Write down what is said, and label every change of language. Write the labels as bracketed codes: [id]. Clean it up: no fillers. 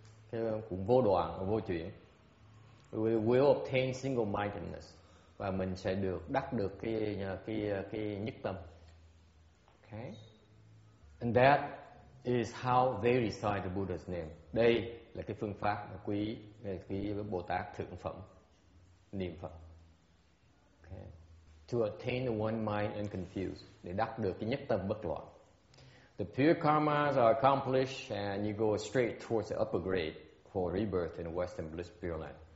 [vi] Cái cũng vô đoạn, vô chuyển. [en] We will obtain single-mindedness. [vi] Và mình sẽ được đắc được cái nhất tâm. [en] Okay. And that is how they recite the Buddha's name. [vi] Đây là cái phương pháp mà quý cái Bồ Tát thượng phẩm niệm Phật. Okay. [en] To attain the one mind unconfused, [vi] để đắc được cái nhất tâm bất loạn. [en] The pure karmas are accomplished and you go straight towards the upper grade for rebirth in the Western Bliss Pure Land.